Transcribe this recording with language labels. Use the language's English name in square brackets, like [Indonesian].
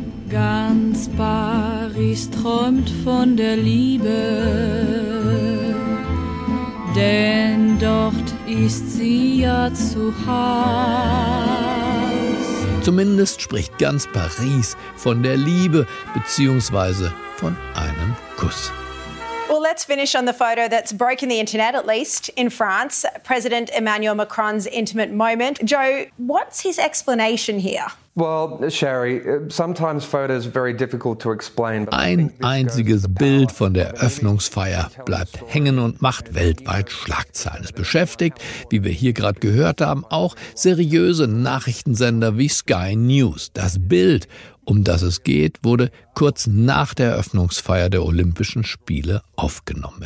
[German] Ganz Paris träumt von der Liebe, denn dort ist sie ja zu Hause. Zumindest spricht ganz Paris von der Liebe bzw. von einem Kuss. [English] Well, let's finish on the photo that's broken the internet, at least in France, President Emmanuel Macron's intimate moment. Joe, what's his explanation here? Well, Sherry, sometimes photos are very difficult to explain. [German] Ein einziges Bild von der Öffnungsfeier bleibt hängen und macht weltweit Schlagzeilen. Es beschäftigt, wie wir hier gerade gehört haben, auch seriöse Nachrichtensender wie Sky News. Das Bild, um das es geht, wurde kurz nach der Eröffnungsfeier der Olympischen Spiele aufgenommen.